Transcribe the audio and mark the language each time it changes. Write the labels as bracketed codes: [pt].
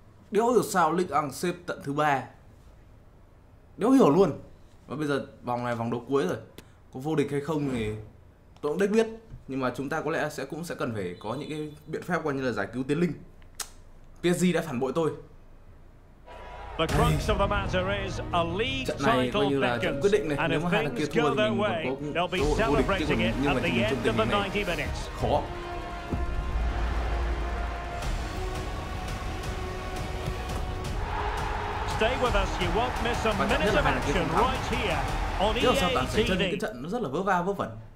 [vi] Đéo hiểu sao Ligue 1 xếp tận thứ ba, đéo hiểu luôn. Và bây giờ vòng này vòng đấu cuối rồi, có vô địch hay không thì tôi cũng đếch biết, nhưng mà chúng ta có lẽ sẽ cũng sẽ cần phải có những cái biện pháp coi như là giải cứu Tiến Linh. PSG đã phản bội tôi. [en] The crux of the matter is a league [vi] trận này coi như là trận quyết định này, [en] and [vi] nếu mà hai thằng kia thua thì mình vẫn có cũng cơ hội vô địch, chứ còn nhưng mà chỉ nhìn chung tình hình này khó. [en] Stay with us, you won't miss a minute of action right here on EA TV. [vi] Sao toàn phải chơi những cái trận nó rất là vớ va vớ vẩn.